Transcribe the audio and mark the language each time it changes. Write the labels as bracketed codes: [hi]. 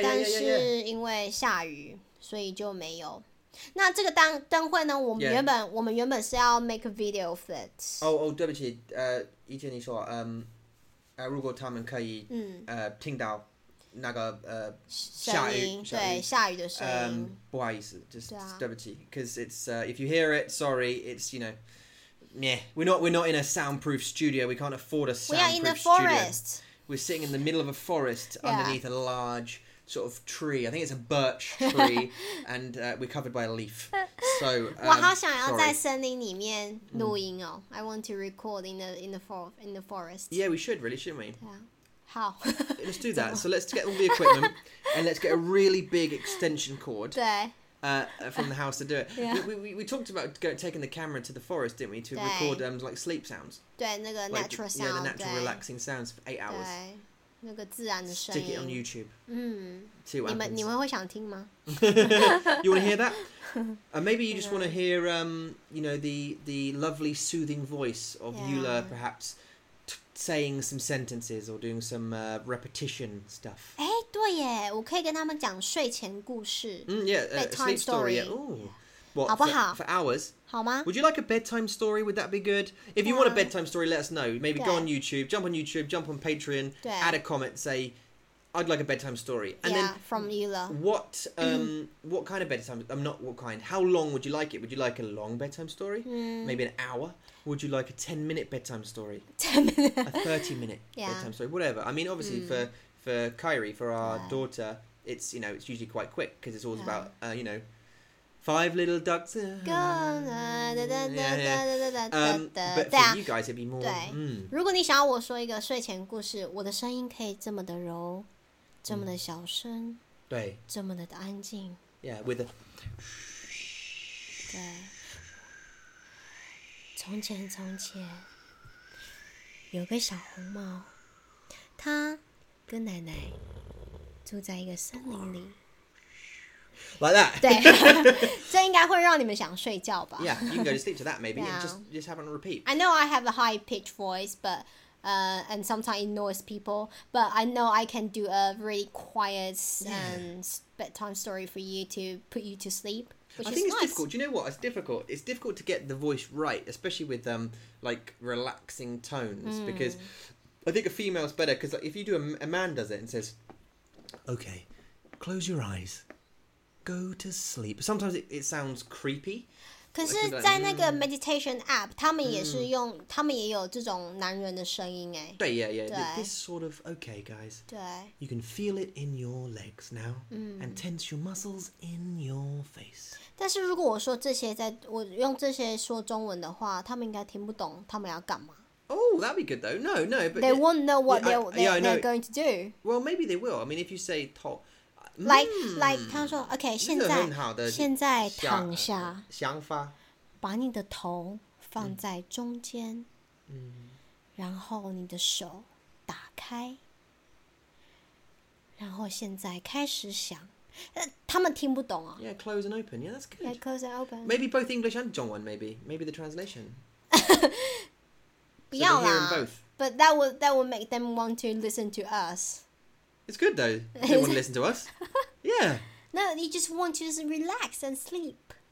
[zh] 但是因为下雨，所以就没有。那这个灯会呢？我们原本是要 [en] make a video of it. [zh] Oh, 对不起。以前你说，如果他们可以，听到那个下雨的声音。不好意思， [en] just [zh] 对不起， [en] because it's if you hear it, sorry, it's you know. Yeah, we're not in a soundproof studio. We can't afford a soundproof studio. We are in the forest. We're sitting in the middle of a forest underneath a large sort of tree. I think it's a birch tree, and we're covered by a leaf. So, [zh] 我好想要在森林里面录音哦。 [en] I want to record in the forest. Yeah, we should really, shouldn't we? Yeah. How? Let's do that. So let's get all the equipment, and let's get a really big extension cord. [zh] 对。 [en] From the house to do it. Yeah. We talked about taking the camera to the forest, didn't we, to record like sleep sounds. [zh] 对，那个 natural [en] like, sound. Yeah, the natural relaxing sounds for 8 hours. [zh] 对，那个自然的声音。 [en] Stick it on YouTube. [zh] 嗯。你们会想听吗？ [en] You want to hear that? Maybe you just want to hear you know the lovely soothing voice of Eula perhaps saying some sentences or doing some repetition stuff. [zh] 哎。对耶，我可以跟他们讲睡前故事。 [en] Bedtime story. Yeah. What, [zh] 好不好 [en] for hours? [zh] 好吗 [en] Would you like a bedtime story? Would that be good? If you want a bedtime story, let us know. Maybe go on YouTube, jump on YouTube, jump on Patreon, add a comment, say, I'd like a bedtime story. And then, from Eula. What kind of bedtime? I'm not what kind. How long would you like it? Would you like a long bedtime story? Maybe an hour? Would you like a 10-minute bedtime story? 10 minutes. A 30-minute bedtime story. Whatever. I mean, obviously, for Kyrie, for our daughter, it's, you know, it's usually quite quick because it's always about, you know, five little ducks. Go, But for you guys, it'd be more... [zh] 对，如果你想要我说一个睡前故事，我的声音可以这么的柔，这么的小声，对，这么的安静。 [en] Yeah, with a... [zh] 对。从前，从前，有个小红帽，他跟奶奶住在一个森林里。 [en] like that. [zh] 对，这应该会让你们想睡觉吧。 [en] Yeah, you can go to sleep to that maybe. Yeah. Just have it on repeat. I know I have a high pitched voice, but and sometimes it annoys people. But I know I can do a really quiet and bedtime story for you to put you to sleep. I think it's difficult. Do you know what? It's difficult. It's difficult to get the voice right, especially with like relaxing tones, because I think a female's better. Because like, if you do a man does it and says, "Okay, close your eyes, go to sleep." Sometimes it sounds creepy. [zh] 可是在那个 meditation app, 他们也是用，他们也有这种男人的声音哎。 [en] 对 ，Yeah, yeah. 对 this sort of okay, guys. [zh] 对 [en] You can feel it in your legs now, and tense your muscles in your face. [zh] 但是如果我说这些在，我用这些说中文的话，他们应该听不懂他们要干嘛。 [en] Oh, that'd be good though. No, but they won't know what they're going to do. Well, maybe they will. I mean, if you say talk. [zh] Like, 他说 ，OK， 现在躺下，想法，把你的头放在中间，然后你的手打开，然后现在开始想，他们听不懂啊。 [en] Yeah, close and open. Yeah, that's good. Yeah, close and open. Maybe both English and 中文 maybe the translation. [zh] 不要啦。 [en] But that will make them want to listen to us. It's good though. They want to listen to us. Yeah. No, you just want to just relax and sleep.